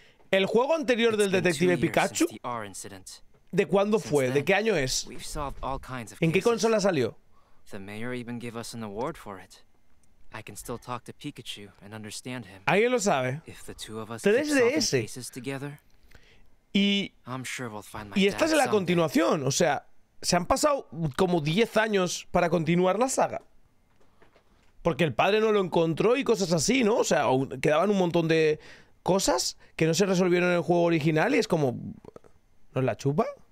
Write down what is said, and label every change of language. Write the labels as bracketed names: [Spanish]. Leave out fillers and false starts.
[Spanish] El juego anterior del detective Pikachu, ¿de cuándo fue? ¿De qué año es? ¿En qué consola salió? [English] The mayor even gave us an award for it. I can still talk to Pikachu and understand him. [Spanish] ¿Alguien lo sabe? [English] If the two of us keep solving cases together, I'm sure we'll find my dad. [Spanish] Y esta es la continuación, o sea, se han pasado como 10 años para continuar la saga. Porque el padre no lo encontró y cosas así, ¿no? O sea, quedaban un montón de cosas que no se resolvieron en el juego original y es como... ¿Nos la chupa?